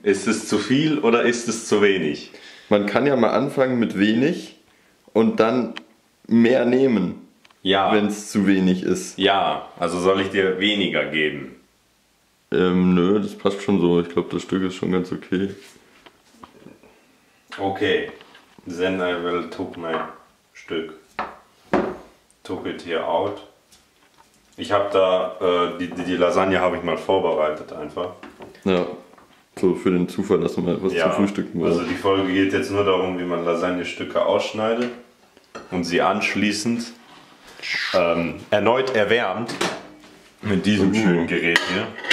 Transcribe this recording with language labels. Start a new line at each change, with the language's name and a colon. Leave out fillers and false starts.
German: Ist es zu viel oder ist es zu wenig? Man kann ja mal anfangen mit wenig und dann mehr nehmen, ja, wenn es zu wenig ist. Ja, also soll ich dir weniger geben? Nö, das passt schon so. Ich glaube, das Stück ist schon ganz okay.
English: Okay, then I will took my Stück. Took it here out.
German: Ich habe da, die Lasagne habe ich mal vorbereitet einfach. Ja, so für den Zufall, dass man was zu frühstücken will. Also die Folge geht jetzt nur darum, wie man Lasagne-Stücke ausschneidet und sie anschließend erneut erwärmt mit diesem schönen Gerät hier.